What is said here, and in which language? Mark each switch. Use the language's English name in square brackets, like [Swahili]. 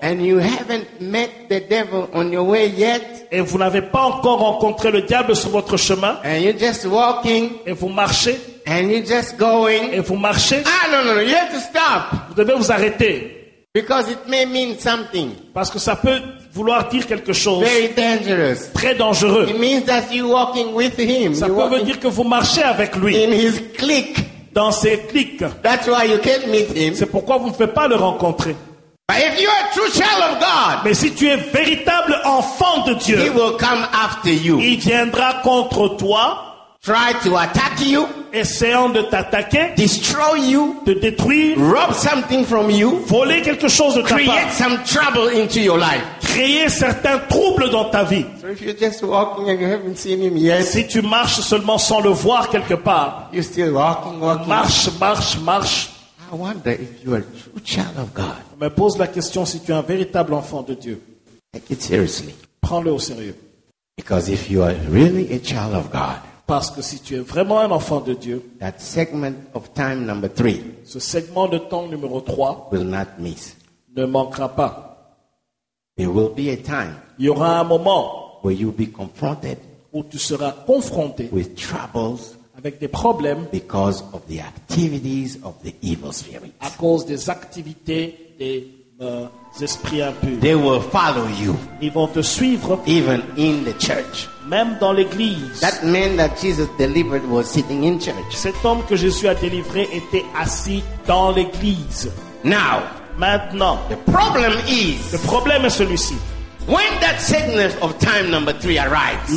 [English] and you haven't met the devil on your way yet, [French] et vous n'avez pas encore rencontré le diable sur votre chemin, [English] and you're just walking, [French] et vous marchez, [English] and you're just going, [French] et vous marchez, [English] ah no no no, you have to stop, [French] vous devez vous arrêter, [English] because it may mean something, [French] parce que ça peut vouloir dire quelque chose. [English] Very dangerous. [French] Très dangereux. [English] It means that you're walking with him. [French] Ça peut veut dire que vous marchez avec lui. [English] In his clique. [French] Dans ses cliques. [English] That's why you can't meet him. [French] C'est pourquoi vous ne pouvez pas le rencontrer. [English] But if you're a true child of God, [French] mais si tu es véritable enfant de Dieu, [English] he will come after you. [French] Il viendra contre toi. [English] Try to attack you. [French] Essayant de t'attaquer. [English] Destroy you. [French] Te détruire. [English] Rob something from you. [French] Voler quelque chose de ta [English] create [French] part. [English] Create some trouble into your life. [French] Créer certains troubles dans ta vie. [English] So if you're just walking and you haven't seen him yet, [French] si tu marches seulement sans le voir quelque part, [English] you're still walking, walking. [French] Marche, marche, marche. [English] I wonder if you are a true child of God. [French] Me pose la question si tu es un véritable enfant de Dieu. [English] Take it seriously. [French] Prends-le au sérieux. [English] Because if you are really a child of God, [French] parce que si tu es vraiment un enfant de Dieu, [English] that segment of time number three, [French] ce segment de temps numéro 3 [English] will not miss. [French] Ne manquera pas. [English] There will be a time. [French] Il y aura un moment [English] where you'll be confronted [French] où tu seras confronté [English] with troubles [French] avec des problèmes [English] because of the activities of the evil spirits. [French] À cause des activités des esprits impurs. [English] They will follow you. [French] Ils vont te suivre [English] even in the church. [French] Même dans l'église. [English] That man that Jesus delivered was sitting in church. [French] Cet homme que Jésus a délivré était assis dans l'église. [English] Now. [French] Maintenant, [English] the problem is, [French] le problème est celui-ci. [English] When that segment of time number three arrives,